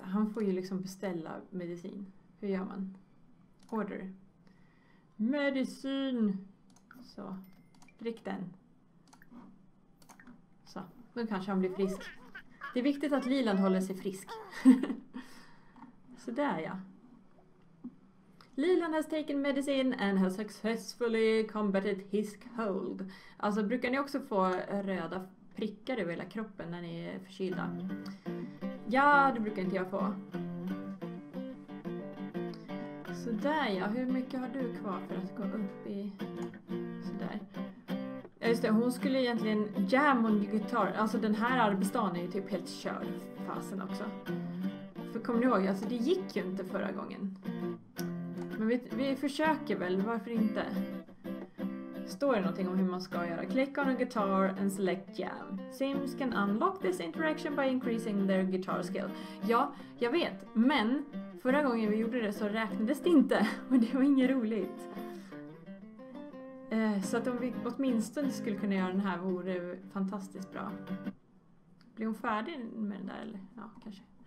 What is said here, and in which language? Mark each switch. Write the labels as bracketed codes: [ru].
[sv] Han får ju liksom beställa medicin. Hur gör man? Order. Medicin! Så, drick den. Så, nu kanske han blir frisk. Det är viktigt att Lilan håller sig frisk. Så där ja. [en] Lilan has taken medicine and has successfully combated his cold. [sv] Alltså, brukar ni också få röda prickar över hela kroppen när ni är förkylda? Ja, det brukar inte jag få. Sådär ja, hur mycket har du kvar för att gå upp i... Sådär. Ja just det, hon skulle egentligen [en] jam on guitar. [sv] Alltså den här arbetsdagen är ju typ helt körd fasen också. För kommer ni ihåg, alltså det gick ju inte förra gången. Men vi försöker väl, varför inte? Står det någonting om hur man ska göra? [en] Click on a guitar and select jam. Sims can unlock this interaction by increasing their guitar skill. [sv] Ja, jag vet. Men förra gången vi gjorde det så räknades det inte. Och det var inget roligt. Så att om vi åtminstone skulle kunna göra den här vore det fantastiskt bra. Blir hon färdig med den där? Eller? Ja, kanske.